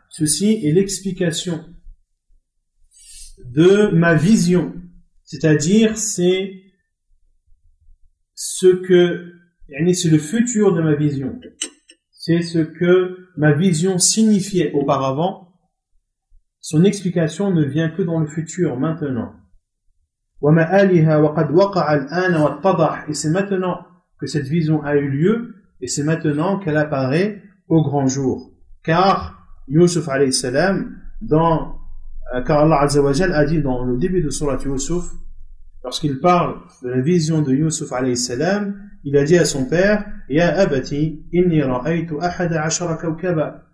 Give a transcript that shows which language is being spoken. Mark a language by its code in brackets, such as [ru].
[fr] Ceci est l'explication de ma vision, c'est-à-dire c'est ce que يعني c'est le futur de ma vision, c'est ce que ma vision signifiait auparavant. Son explication ne vient que dans le futur, maintenant. [ar] وما آلها وقد وقع الآن واتضح. [fr] Et c'est maintenant que cette vision a eu lieu, et c'est maintenant qu'elle apparaît au grand jour. Car Yusuf alayhi salam, car Allah Azza wa Jal a dit dans le début de Surat Yusuf, lorsqu'il parle de la vision de Yusuf alayhi salam, il a dit à son père, [ar] يا أبتي إني رأيت أحد عشر كوكبا.